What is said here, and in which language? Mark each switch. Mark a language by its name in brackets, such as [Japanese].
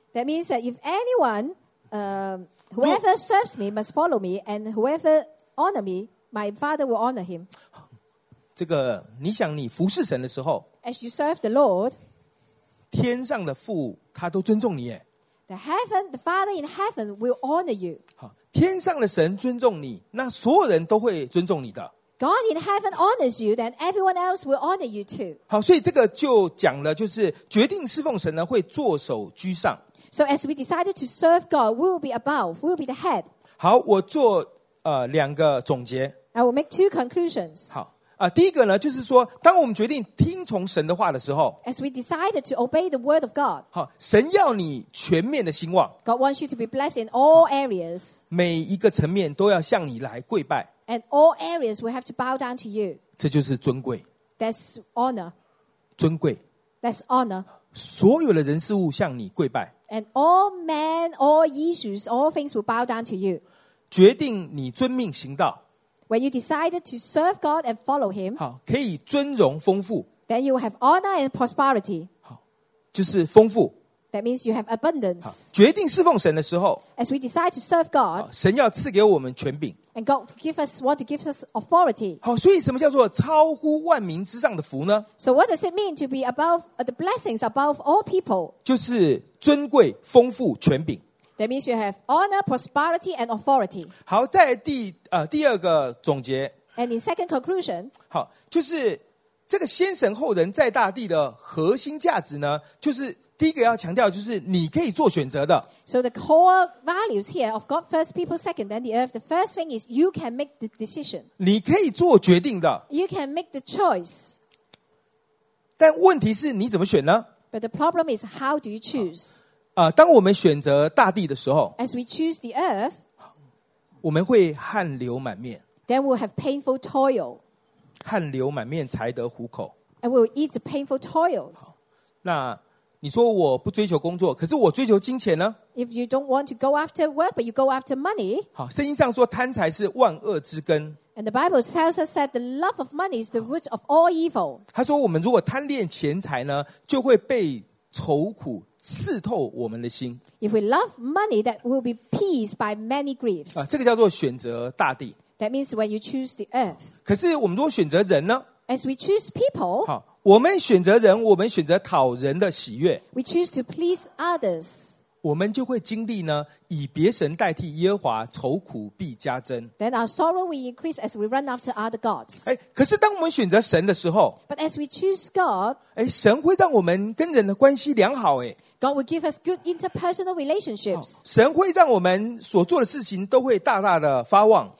[English] That means that if anyone, whoever serves me must follow me, and whoever honor me, my father will honor him. [Chinese] 这个你想你服侍神的时候 [English] As you serve the Lord, [Chinese] 天上的父他都尊重你耶。 [English] The heaven, the father in heaven will honor you. [Chinese] 天上的神尊重你那所有人都会尊重你的。 [English] God in heaven honors you, then everyone else will honor you too. [Chinese] 好，所以这个就讲了，就是决定侍奉神呢，会坐首居上。 [English] So as we decided to serve God, we will be above, we will be the head. [Chinese] 好，我做两个总结。 [English] I will make two conclusions. [Chinese] 好，第一个呢，就是说，当我们决定听从神的话的时候 [English] ，As we decided to obey the word of God. [Chinese] 好，神要你全面的兴旺。 [English] God wants you to be blessed in all areas. [Chinese] 每一个层面都要向你来跪拜。 [English] And all areas will have to bow down to you. [Chinese] 这就是尊贵。 [English] That's honor. [Chinese] 尊贵。 [English] That's honor. [Chinese] 所有的人事物向你跪拜。 [English] And all men, all issues, all things will bow down to you. [Chinese] 决定你遵命行道。 [English] When you decided to serve God and follow Him, [Chinese] 好，可以尊荣丰富。 [English] Then you will have honor and prosperity. [Chinese] 好，就是丰富。 [English] That means you have abundance. [Chinese] 好，决定侍奉神的时候 [English] ，As we decide to serve God, [Chinese] 好，神要赐给我们权柄。 [English] And God give us what gives us authority. [Chinese] 好，所以什么叫做超乎万民之上的福呢 [English] ？So what does it mean to be above the blessings above all people? [Chinese] 就是尊贵、丰富、权柄。 [English] That means you have honor, prosperity, and authority. [Chinese] 好，在第二个总结。 [English] And in second conclusion. [Chinese] 好，就是这个先神后人在大地的核心价值呢，就是第一个要强调，就是你可以做选择的。 [English] So the core values here of God first, people second, then the earth. The first thing is you can make the decision. [Chinese] 你可以做决定的。 [English] You can make the choice. [Chinese] 但问题是你怎么选呢 [English] ？But the problem is how do you choose? [Chinese] 当我们选择大地的时候 [English] ，As we choose the earth， [Chinese] 我们会汗流满面 [English] ，Then we'll have painful toil， [Chinese] 汗流满面才得糊口 [English] ，And we'll eat the painful toils。 [Chinese] 那你说我不追求工作，可是我追求金钱呢 [English] ？If you don't want to go after work but you go after money， [Chinese] 好，圣经上说贪财是万恶之根。 [English] And the Bible tells us that the love of money is the root of all evil。 [Chinese] 他说我们如果贪恋钱财呢，就会被愁苦。刺透我们的心。 [English] If we love money, that will be pierced by many griefs. [Chinese] 啊，这个叫做选择大地。 [English] That means when you choose the earth. [Chinese] 可是我们如果选择人呢 [English] ？As we choose people. [Chinese] 好，我们选择人，我们选择讨人的喜悦。 [English] We choose to please others. [Chinese] 我们就会经历呢，以别神代替耶和华，愁苦必加增。 [English] Then our sorrow will increase as we run after other gods. [Chinese] 哎，可是当我们选择神的时候 [English] ，But as we choose God. [Chinese] 哎，神会让我们跟人的关系良好。哎。 [English] God will give us good interpersonal relationships. [Chinese] 神会让我们所做的事情都会大大的发旺。